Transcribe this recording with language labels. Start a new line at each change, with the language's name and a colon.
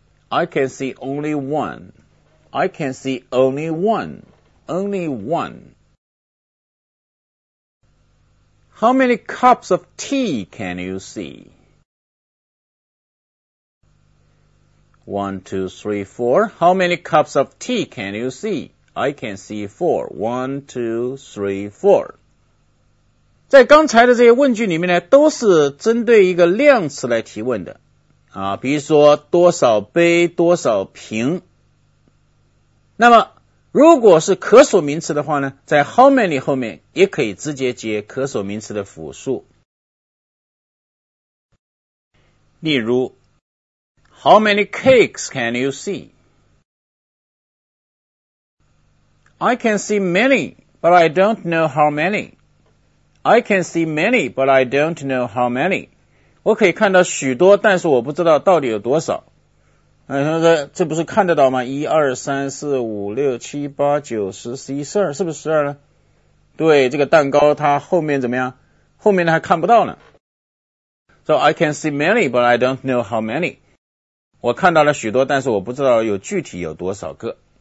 English: I can see only one. I can see only one, only one. How many cups of tea can you see? One, two, three, four. How many cups of tea can you see? I can see four. One, two, three, four.
Chinese: 在刚才的这些问句里面呢，都是针对一个量词来提问的啊，比如说多少杯，多少瓶。那么如果是可数名词的话呢，在
English: how many
Chinese: 后面也可以直接接可数名词的复数。例如
English: How many cakes can you see? I can see many, but I don't know how many. I can see many, but I don't know how many.
Chinese: 我可以看到许多，但是我不知道到底有多少。这不是看得到吗 ?1,2,3,4,5,6,7,8,9,10,11,12, 是不是12呢对这个蛋糕它后面怎么样后面的还看不到呢。
English: So, I can see many, but I don't know how many.
Chinese: 我看到了许多但是我不知道有具体有多少个。